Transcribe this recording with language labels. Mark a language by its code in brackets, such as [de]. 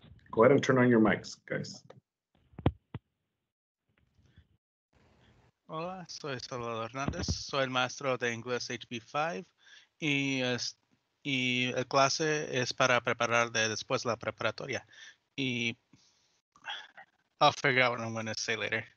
[en] Go ahead and turn on your mics, guys. [es] Hola, soy Salvador Hernández, soy el maestro de inglés HB5 y el clase es para preparar después la preparatoria. [en] Y I'll figure out what I'm going to say later.